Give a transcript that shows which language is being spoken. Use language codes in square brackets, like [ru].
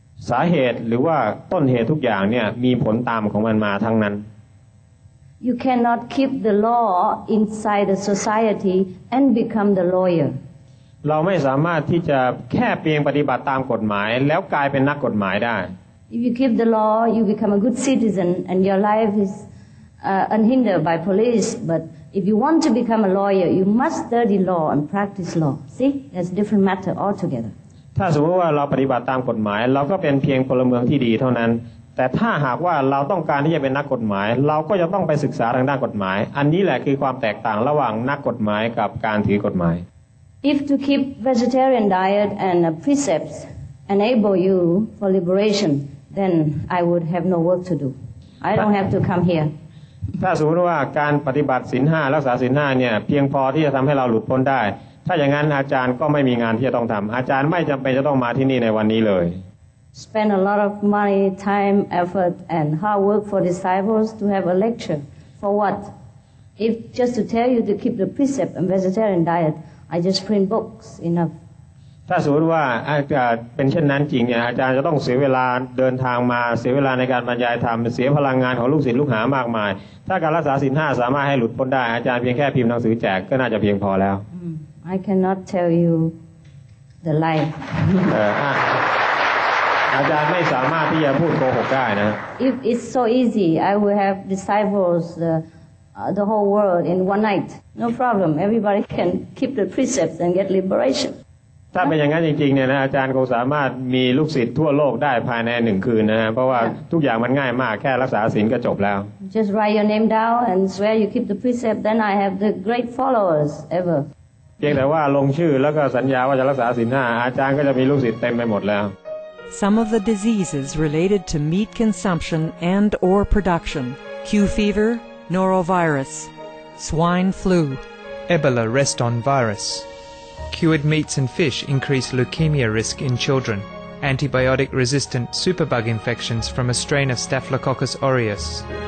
[th] สาเหตุหรือว่าต้นเหตุทุกอย่างเนี่ยมีผลตามของมันมาทั้งนั้น [en] You cannot keep the law inside the society and become the lawyer. [th] เราไม่สามารถที่จะแค่เพียงปฏิบัติตามกฎหมายแล้วกลายเป็นนักกฎหมายได้ [en] If you keep the law, you become a good citizen and your life is unhindered by police. But if you want to become a lawyer, you must study law and practice law. See, that's a different matter altogether. [th] ถ้าสมมติว่าเราปฏิบัติตามกฎหมายเราก็เป็นเพียงพลเมืองที่ดีเท่านั้นแต่ถ้าหากว่าเราต้องการที่จะเป็นนักกฎหมายเราก็จะต้องไปศึกษาทางด้านกฎหมายอันนี้แหละคือความแตกต่างระหว่างนักกฎหมายกับการถือกฎหมาย [en] If to keep vegetarian diet and precepts enable you for liberation then I would have no work to do I don't have to come here [th] ถ้าสมมติว่าการปฏิบัติศีล 5รักษาศีล 5เนี่ยเพียงพอที่จะทําให้เราหลุดพ้นได้ถ้าอย่างนั้นอาจารย์ก็ไม่มีงานที่จะต้องทําอาจารย์ไม่จําเป็นจะต้องมาที่นี่ในวันนี้เลย [en] spend a lot of money time effort and hard work for disciples to have a lecture for what if just to tell you to keep the precept and vegetarian diet I just print books enough [th] ถ้าสมมติว่าอาจารย์เป็นเช่นนั้นจริงเนี่ยอาจารย์จะต้องเสียเวลาเดินทางมาเสียเวลาในการบรรยายธรรมเสียพลังงานของลูกศิษย์ลูกหามากมายถ้าการรักษาศีล 5สามารถให้หลุดพ้นได้อาจารย์เพียงแค่พิมพ์หนังสือแจกก็น่าจะเพียงพอแล้ว [en] I cannot tell you the lie [th] อาจารย์ไม่สามารถที่จะพูดโกหกได้นะ [en] If it's so easy I will have disciples the whole world in one night no problem everybody can keep the precepts and get liberation [th] ถ้าเป็นอย่างนั้นจริงๆเนี่ยนะอาจารย์คงสามารถมีลูกศิษย์ทั่วโลกได้ภายใน1คืนนะฮะเพราะว่าทุกอย่างมันง่ายมากแค่รักษาศีลก็จบแล้ว [en] Just write your name down and swear you keep the precept then I have the great followers ever [th] เพียงแต่ว่าลงชื่อแล้วก็สัญญาว่าจะรักษาศีล 5อาจารย์ก็จะมีลูกศิษย์เต็มไปหมดแล้ว [en] Some of the diseases related to meat consumption and or production, Q fever, norovirus, swine flu, Ebola Reston virus, cured meats and fish increase leukemia risk in children, antibiotic resistant superbug infections from a strain of Staphylococcus aureus,